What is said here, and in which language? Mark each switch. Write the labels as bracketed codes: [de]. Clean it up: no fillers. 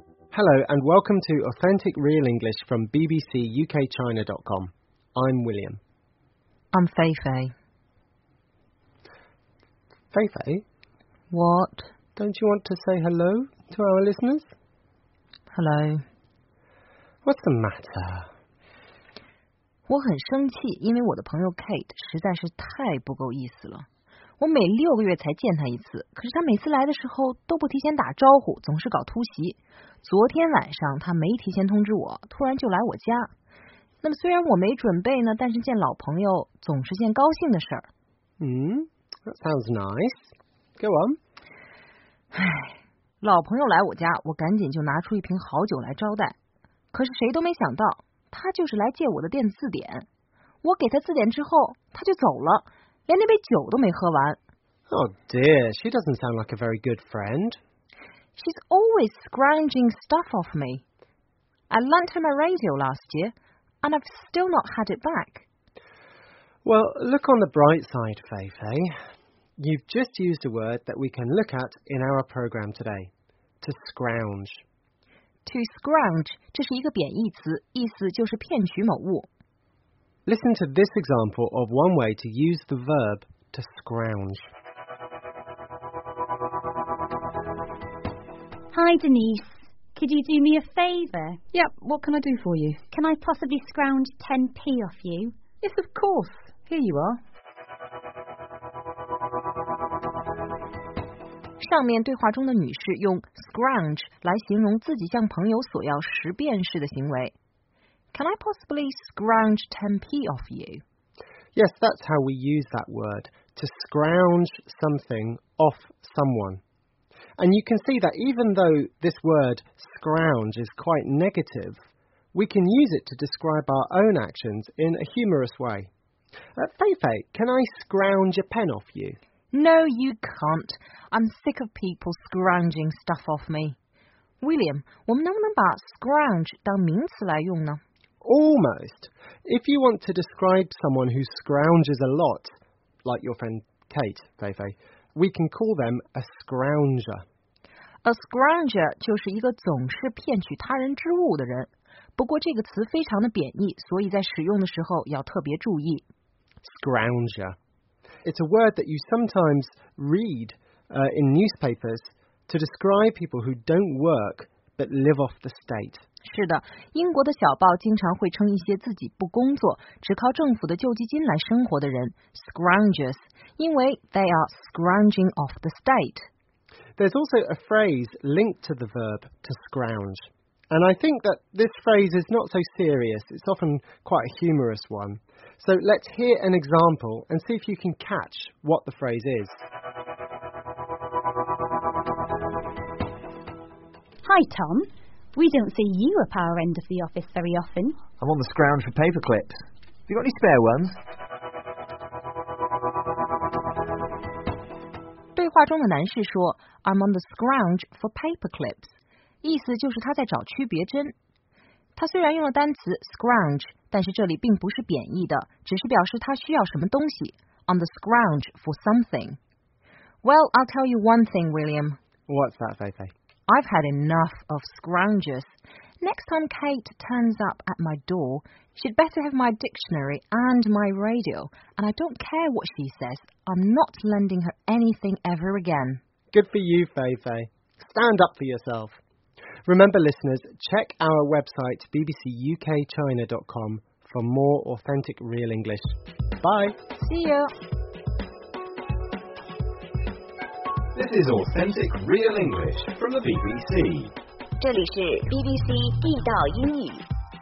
[en] Hello and welcome to Authentic Real English from BBCUKChina.com. I'm William. I'm Feifei. Feifei? What? Don't you want to say hello to our listeners? Hello. What's the matter? [zh] 我很生气，因为我的朋友 Kate 实在是太不够意思了。我每六个月才见他一次，可是他每次来的时候都不提前打招呼，总是搞突袭。昨天晚上他没提前通知我，突然就来我家。那么虽然我没准备呢，但是见老朋友总是件高兴的事儿。 [en] That sounds nice. Go on. [zh] 唉，老朋友来我家，我赶紧就拿出一瓶好酒来招待。可是谁都没想到。他就是来借我的电子字典，我给他字典之后，他就走了，连那杯酒都没喝完。 [en] Oh dear, she doesn't sound like a very good friend. She's always scrounging stuff off me. I lent her my radio last year, and I've still not had it back. Well, look on the bright side, Feifei. You've just used a word that we can look at in our program today, to scrounge. [zh] To scrounge, 这是一个贬义词，意思就是骗取某物。 [en] Listen to this example of one way to use the verb to scrounge. Hi, Denise. Could you do me a favour? Yep, what can I do for you? Can I possibly scrounge 10p off you? Yes, of course. Here you are. [zh] 上面对话中的女士用 scrounge 来形容自己向朋友索要十便士的行为。 [en] Can I possibly scrounge 10p off you? Yes, that's how we use that word, to scrounge something off someone. And you can see that even though this word scrounge is quite negative, we can use it to describe our own actions in a humorous way. Feifei, can I scrounge a pen off you? No, you can't. I'm sick of people scrounging stuff off me. [zh] William, 我们能不能把 scrounge 当名词来用呢? [en] Almost. If you want to describe someone who scrounges a lot, like your friend Kate, Feifei, we can call them a scrounger. [zh] A scrounger 就是一个总是骗取他人之物的人。不过这个词非常的贬义，所以在使用的时候要特别注意。 [en] Scrounger. It's a word that you sometimes read, in newspapers to describe people who don't work but live off the state. [zh] 是的，英国的小报经常会称一些自己不工作，只靠政府的救济金来生活的人 scroungers, 因为 [en] they are scrounging off the state. There's also a phrase linked to the verb to scrounge, and I think that this phrase is not so serious. It's often quite a humorous one. So let's hear an example and see if you can catch what the phrase is. Hi, Tom. We don't see you up our end of the office very often. I'm on the scrounge for paperclips. Have you got any spare ones? [zh] 对话中的男士说 [en] I'm on the scrounge for paperclips. [zh] 意思就是他在找区别针。他虽然用了单词 scrounge, 但是这里并不是贬义的,只是表示他需要什么东西。 [en] On the scrounge for something. Well, I'll tell you one thing, William. What's that, Feifei? I've had enough of scroungers. Next time Kate turns up at my door, she'd better have my dictionary and my radio. And I don't care what she says, I'm not lending her anything ever again. Good for you, Feifei. Stand up for yourself. Remember, listeners, check our website, bbcukchina.com, for more authentic real English. Bye. See you. This is Authentic Real English from the BBC. [zh] 这里是 BBC 地道英语。